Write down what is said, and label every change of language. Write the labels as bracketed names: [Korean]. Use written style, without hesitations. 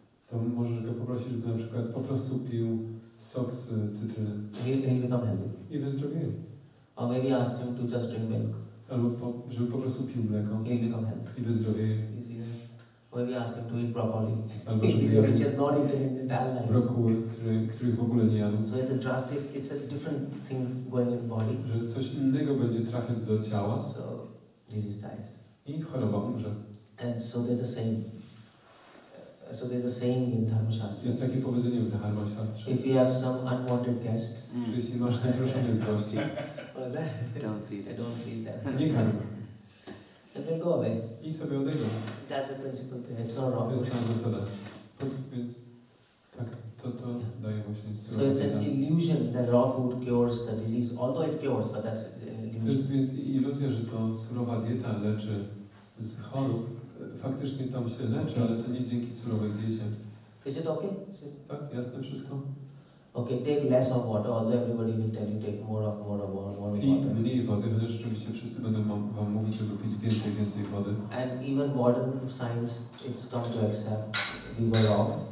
[Polish] To możesz go poprosić, żeby na przykład po prostu pił sok z cytryny. [English] He'll become healthy. [Polish] I wyzdrowieje. [English] Or maybe ask him to just drink milk. [Polish] Albo żeby po prostu pił mleko. [English] He'll become healthy. [Polish] I wyzdrowieje. [English] Maybe ask him to eat broccoli, which is not eaten in the entire life. [Polish] Broccoli, który w ogóle nie jadł. [English] So it's a drastic, it's a different thing going in the body. [Polish] Że coś innego będzie trafiać do ciała. [English] So disease dies. [Polish] I choroba umrze. [English] And so there's the same in Dharma Shastra. [Polish] Jest takie powiedzenie w Dharma Shastra. [English] If you have some unwanted guests. [Polish] Jeśli masz nieproszonych gości. [English] What's that? I don't feel that. [Polish] Nie karma. [English] And then go away. [Polish] I sobie odejdą. [English] That's a principle thing. It's not wrong. [Polish] To jest ta zasada. Więc tak, to daje właśnie surowe. [English] So it's an illusion that raw food cures the disease. Although it cures, but that's an illusion. [Polish] To jest więc iluzja, że to surowa dieta leczy z chorób. Faktycznie tam się leczy, ale to nie dzięki surowej diecie. [English] Is it okay? [Polish] Tak, jasne wszystko. [English] Okay, take less of water, although everybody will tell you take more of water. [Polish] Pij mniej wody, chociaż oczywiście wszyscy będą wam mówić, żeby pić więcej wody. [English] And even modern science, it's come to accept we were wrong.